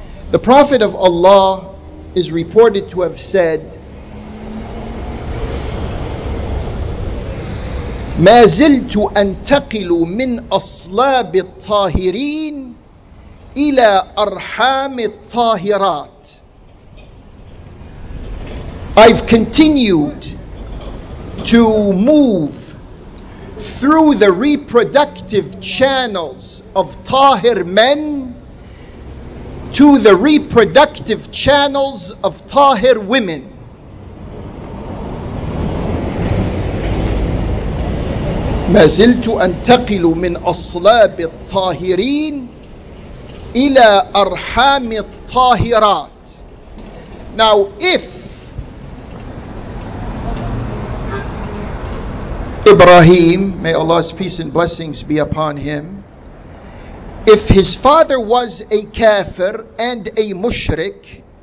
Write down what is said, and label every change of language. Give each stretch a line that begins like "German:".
English: The Prophet of Allah is reported to have said,
Arabic: ما زلت أنتقل من أصلاب الطاهرين إلى أرحام الطاهرات.
English: I've continued to move through the reproductive channels of Tahir men to the reproductive channels of Tahir women.
Arabic: ما زلت أنتقل من أصلاب الطاهرين إلى أرحام الطاهرات.
English: Now, if Ibrahim, may Allah's peace and blessings be upon him, if his father was a kafir and a mushrik,